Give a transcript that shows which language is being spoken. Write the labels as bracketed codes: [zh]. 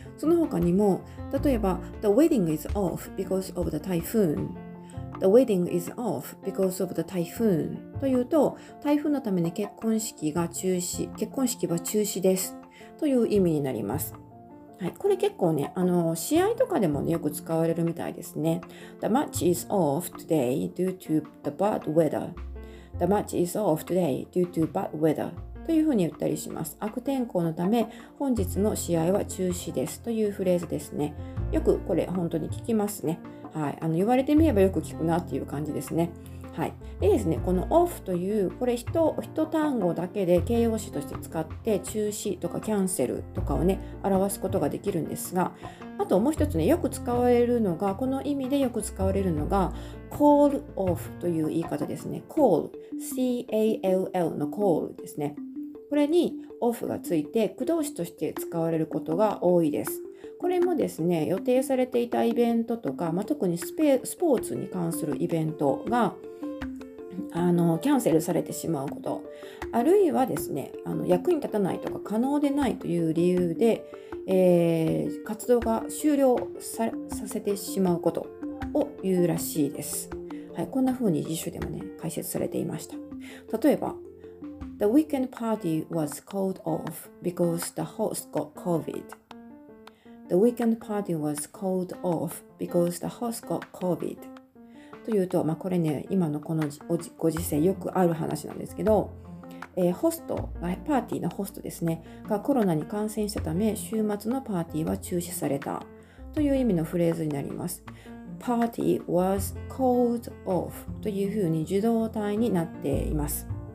[ja] その他にも、例えば [en] The wedding is off because of the typhoon。 The wedding is off because of the typhoon [ja] というと、台風のために結婚式は中止ですという意味になります。はい、これ結構ね、試合とかでも、ね、よく使われるみたいですね。 [en] The match is off today due to the bad weather. The match is off today due to bad weather. [ja] というふうに言ったりします。悪天候のため、本日の試合は中止ですというフレーズですね。よくこれ本当に聞きますね。はい、言われてみればよく聞くなっていう感じですね。はい、でですね、この off という、これ一単語だけで形容詞として使って、中止とかキャンセルとかをね、表すことができるんですが、あともう一つね、よく使われるのが、この意味でよく使われるのが、call off という言い方ですね。 call、C-A-L-L の call ですね。これに off がついて、駆動詞として使われることが多いです。これもですね、予定されていたイベントとか、まあ、特にスポーツに関するイベントがキャンセルされてしまうこと、あるいはですね、役に立たないとか可能でないという理由で、活動が終了 させてしまうことを言うらしいです。はい、こんな風に辞書でもね、解説されていました。例えば、 [en] The weekend party was called off because the host got COVID. The weekend party was called off because the host got COVID. [ja] というと、まあ、これね、今のこのご時世よくある話なんですけど、ホスト、パーティーのホストですね、がコロナに感染したため、週末のパーティーは中止されたという意味のフレーズになります。 [en] Party was called off [ja] というふうに受動態になっています。